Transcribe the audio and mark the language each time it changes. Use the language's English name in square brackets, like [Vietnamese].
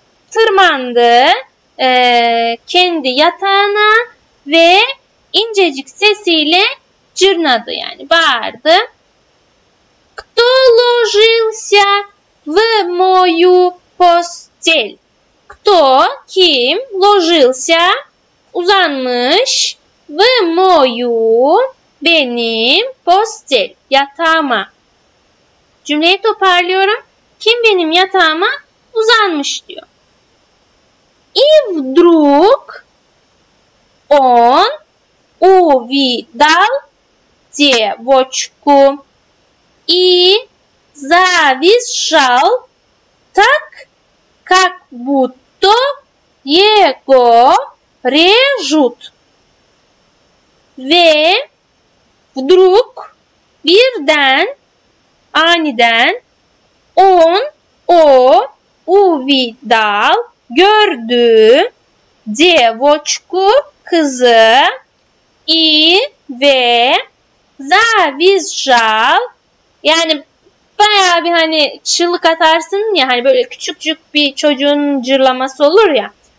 [Turkish] Tırmandı kendi yatağına ve incecik sesiyle cırnadı yani bağırdı. [Russian] Кто ложился в мою постель? Кто, [Turkish] kim, [Russian] ложился, [Turkish] uzanmış, [Russian] в мою, [Turkish] benim, [Russian] постель, [Turkish] yatağıma. Cümleyi toparlıyorum. Kim benim yatağıma uzanmış diyor. [Russian] И вдруг он увидал девочку. И завизжал так, как будто его режут. [Turkish] Ve [Russian] вдруг, [Turkish] birden, aniden, [Russian] он, [Turkish] o, [Russian] увидал, [Turkish] gördü, [Russian] девочку, [Turkish] kızı, [Russian] и, [Turkish] ve, [Russian] завизжал, [Turkish] yani bayağı bir hani çığlık atarsın ya hani böyle küçücük bir çocuğun cırlaması olur ya.